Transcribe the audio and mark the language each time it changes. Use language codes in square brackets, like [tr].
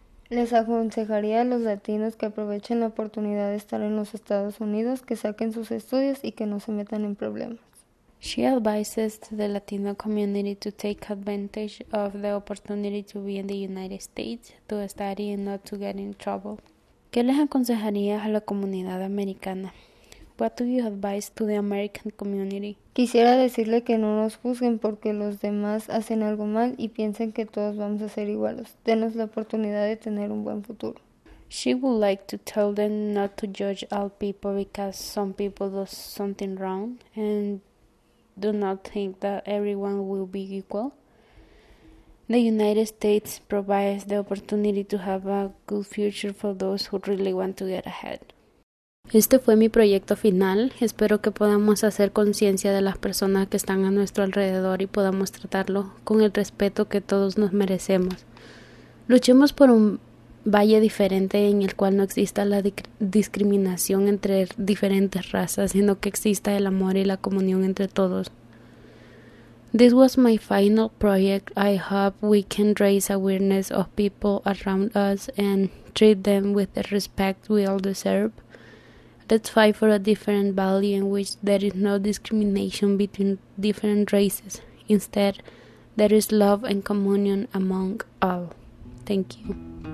[es] Les aconsejaría a los latinos que aprovechen la oportunidad de estar en los Estados Unidos, que saquen sus estudios y que no se metan en problemas. [en] She advises to the Latino community to take advantage of the opportunity to be in the United States, to study and not to get in trouble. [es] ¿Qué les aconsejarías a la comunidad americana? [en] What do you advise to the American community? [es] Quisiera decirle que no nos juzguen porque los demás hacen algo mal y piensen que todos vamos a ser iguales. Denos la oportunidad de tener un buen futuro. [en] She would like to tell them not to judge all people because some people do something wrong and do not think that everyone will be equal. The United States provides the opportunity to have a good future for those who really want to get ahead. [es] Este fue mi proyecto final. Espero que podamos hacer conciencia de las personas que están a nuestro alrededor y podamos tratarlo con el respeto que todos nos merecemos. Luchemos por un valle diferente en el cual no exista la discriminación entre diferentes razas, sino que exista el amor y la comunión entre todos. [en] This was my final project. I hope we can raise awareness of people around us and treat them with the respect we all deserve. Let's fight for a different valley in which there is no discrimination between different races. Instead, there is love and communion among all. Thank you.